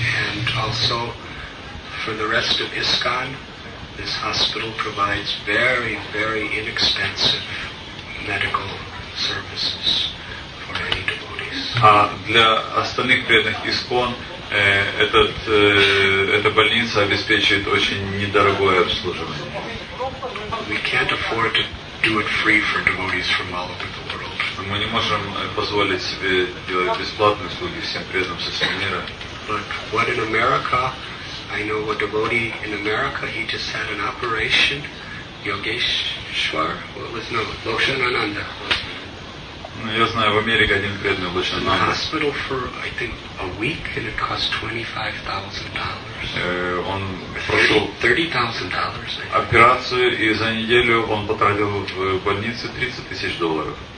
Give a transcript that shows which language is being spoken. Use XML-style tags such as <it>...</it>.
<en>And also for the rest of ISKCON, this hospital provides very, very inexpensive medical services for any devotees.</en> <ru>А для остальных преданных ИСККОН эта больница обеспечивает очень недорогое обслуживание.</ru> <en>We can't afford to do it free for devotees from all over the world.</en> <ru>Мы не можем позволить себе делать бесплатные услуги всем преданным со всего мира.</ru> <en>But what in America? I know a devotee in America, he just had an operation, Yogeshwar, Lokshanananda.</en> <ru>Ну, я знаю, в Америке один преданный Локшанананда.</ru> <en>In the hospital for, I think, a week, and it cost $25,000.</en> <ru>Он прошел</ru> <en>$30,000, I think.</en> <ru>Операцию, и за неделю он потратил в больнице $30,000.</ru>